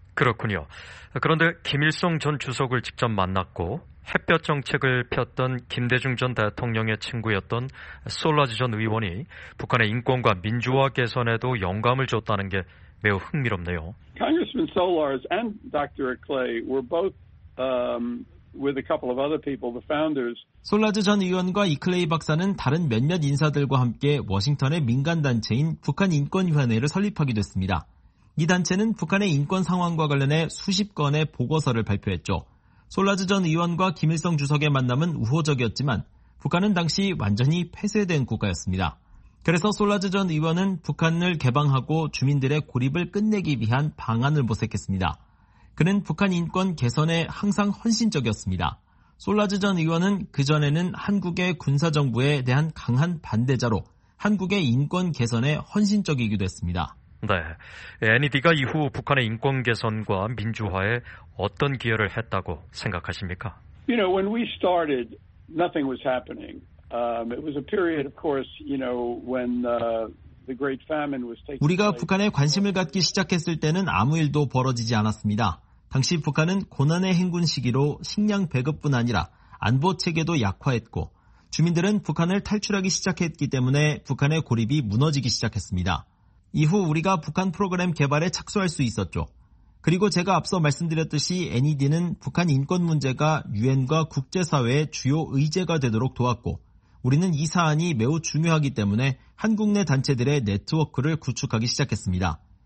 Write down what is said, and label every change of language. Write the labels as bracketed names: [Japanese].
[Korean] 그렇군요. 그런데 김일성 전 주석을 직접 만났고 햇볕 정책을 폈던 김대중 전 대통령의 친구였던 솔라즈 전 의원이 북한의 인권과 민주화 개선에도 영감을 줬다는 게 매우 흥미롭네요. [English] Congressman Solars and Dr. Clay were both with a couple of other people, the founders. [Korean] 솔라즈 전 의원과 이클레이 박사는 다른 몇몇 인사들과 함께 워싱턴의 민간 단체인 북한 인권위원회를 설립하게 됐습니다. 이 단체는 북한의 인권 상황과 관련해 수십 건의 보고서를 발표했죠. 솔라즈 전 의원과 김일성 주석의 만남은 우호적이었지만 북한은 당시 완전히 폐쇄된 국가였습니다. 그래서 솔라즈 전 의원은 북한을 개방하고 주민들의 고립을 끝내기 위한 방안을 모색했습니다. 그는 북한 인권 개선에 항상 헌신적이었습니다. 솔라즈 전 의원은 그전에는 한국의 군사정부에 대한 강한 반대자로 한국의 인권 개선에 헌신적이기도 했습니다. 네, NED가 이후 북한의 인권 개선과 민주화에 어떤 기여를 했다고 생각하십니까? [English] You know, when we started, nothing was happening. It was a period, of course, you know, when the Great Famine was taking. [Korean] 우리가 북한에 관심을 갖기 시작했을 때는 아무 일도 벌어지지 않았습니다. 당시 북한은 고난의 행군 시기로 식량 배급뿐 아니라 안보 체계도 약화했고 주민들은 북한을 탈출하기 시작했기 때문에 북한의 고립이 무너지기 시작했습니다. 이후 우리가 북한 프로그램 개발에 착수할 수 있었죠. 그리고 제가 앞서 말씀드렸듯이 NED는 북한 인권 문제가 UN과 국제사회의 주요 의제가 되도록 도왔고 우리는 이 사안이 매우 중요하기 때문에 한국 내 단체들의 네트워크를 구축하기 시작했습니다.